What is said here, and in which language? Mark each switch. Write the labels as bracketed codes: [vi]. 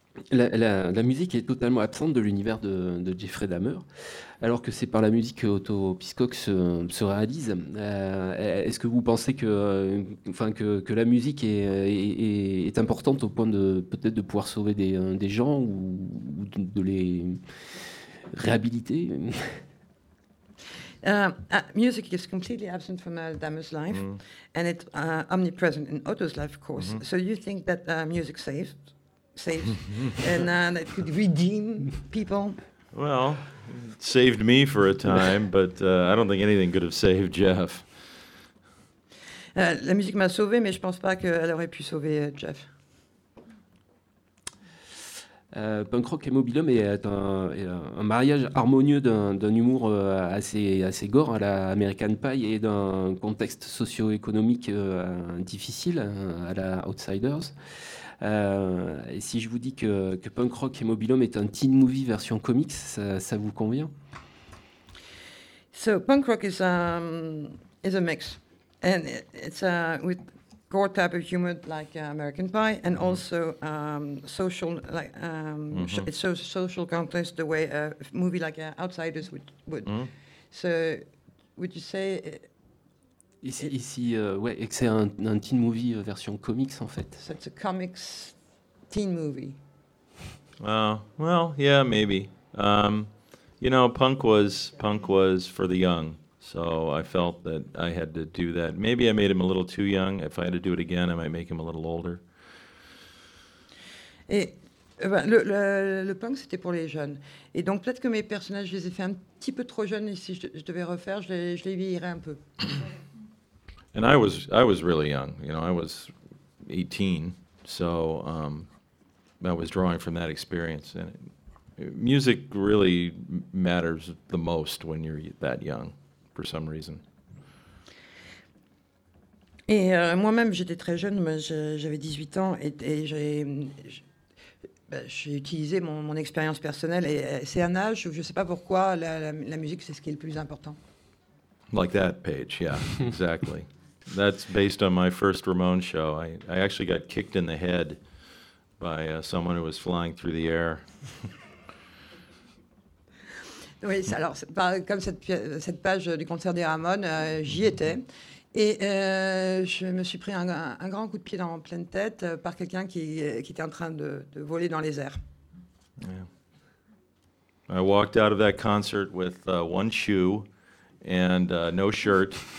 [fr] La musique est totalement absente de l'univers de Jeffrey Dahmer, alors que c'est par la musique que Otto Pischock se réalise. Est-ce que vous pensez que la musique est importante au point de peut-être de pouvoir sauver des gens ou de les réhabiliter? [en] Music is completely absent from Dahmer's life, and it's omnipresent in Otto's life, of course. Mm-hmm. So you think that music saved and that could redeem people? Well, it saved me for a time, but I don't think anything could have saved Jeff. [fr] La musique m'a sauvé, mais je pense pas qu'elle aurait pu sauver Jeff. Punk rock et Mobilhome est un mariage harmonieux d'un humour assez gore à la American Pie et d'un contexte socio-économique difficile à la Outsiders. Et si je vous dis que Punk Rock et Mobilhome est un teen movie version comics, ça vous convient? [en] So Punk Rock is a mix, and it's with gore type of humor like American Pie, and also social, it's so social context the way a movie like Outsiders would. Mm-hmm. So would you say? [fr] Ici, et que c'est un teen movie version comics, en fait. [en] So it's a comics teen movie. Well, yeah, maybe. You know, punk was for the young, so I felt that I had to do that. Maybe I made him a little too young. If I had to do it again, I might make him a little older. [fr] Le punk, c'était pour les jeunes. Et donc, peut-être que mes personnages, je les ai fait un petit peu trop jeunes, et si je devais refaire, je les vieillirais un peu. [en] And I was really young, you know, I was 18, so I was drawing from that experience. And music really matters the most when you're that young, for some reason. [fr] Et moi-même, j'étais très jeune, mais j'avais 18 ans, et j'ai utilisé mon expérience personnelle, et c'est un âge où je ne sais pas pourquoi la musique, c'est ce qui est le plus important. [en] Like that, Paige, yeah, exactly. That's based on my first Ramon show. I actually got kicked in the head by someone who was flying through the air. [fr] Oui, alors comme cette page du concert des Ramon, j'y étais et je me suis pris un grand coup de pied en pleine tête par quelqu'un qui était en train de voler dans les airs. [en] Yeah. I walked out of that concert with one shoe and no shirt.